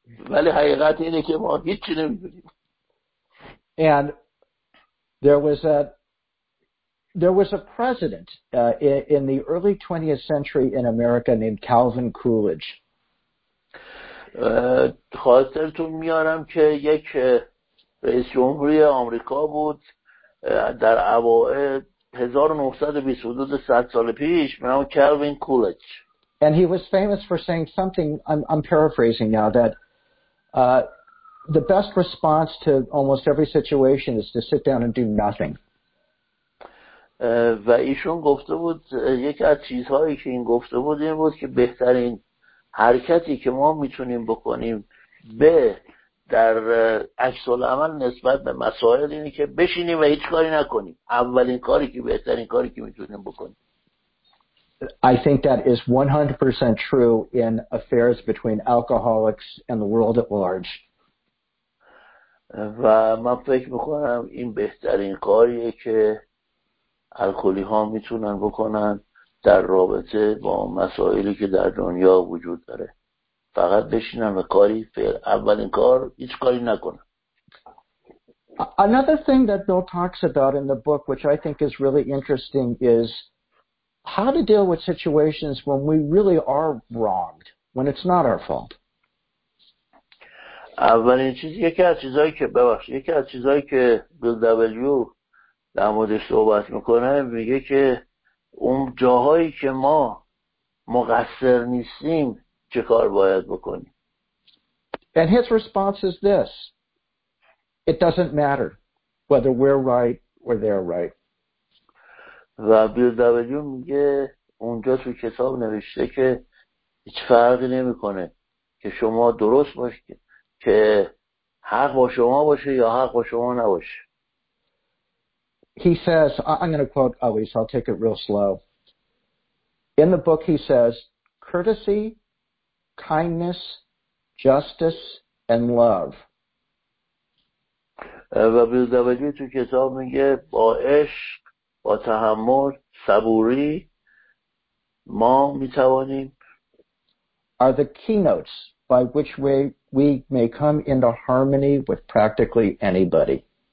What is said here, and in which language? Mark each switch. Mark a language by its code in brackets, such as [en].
[fa] ولی حقیقت اینه که ما هیچی نمی‌دونیم. [en] And there was a president in the early 20th century in America named Calvin Coolidge. [fa] خاطرتون میارم که یک رئیس جمهوری آمریکا بود در اوائل 1920 100 سال پیش به نام کلوین کولج. [en] And he was famous for saying something, I'm paraphrasing now, that the best response to almost every situation is to sit down and do nothing. [fa] و ایشون گفته بود یکی از چیزهایی که این گفته بود این بود که بهترین حرکتی که ما میتونیم بکنیم به در عکس العمل نسبت به مسائل اینه که بشینیم و هیچ کاری نکنیم. اولین کاری که بهترین کاری که میتونیم بکنیم. [en] I think that is 100% true in affairs between alcoholics and the world at large. [fa] و من فکر میکنم این بهترین کاریه که الکلی ها میتونن بکنن در رابطه با مسائلی که در دنیا وجود داره. فقط بشینن و کاری فعل اولین کار هیچ کاری نکنن. [en] Another thing that Bill talks about in the book, which I think is really interesting, is how to deal with situations when we really are wronged, when it's not our fault. [fa] اولین چیز یکی از چیزهایی که بیل دبلیو در موردش صحبت میکنه میگه که اون جاهایی که ما مقصر نیستیم چه کار باید بکنیم. [en] And his response is this: it doesn't matter whether we're right or they're right. [fa] و بیل دبلیو میگه اونجا تو کتاب نوشته که هیچ فرقی نمیکنه که شما درست باشید که حق با شما باشه یا حق با شما نباشه. [en] He says, I'm going to quote Ali, so I'll take it real slow. In the book he says, courtesy, kindness, justice, and love. [fa] و بیل دبلیو تو کتاب میگه با عشق، با تحمل، صبوری ما میتوانیم [en] are the keynotes by which we may come into harmony with practically anybody.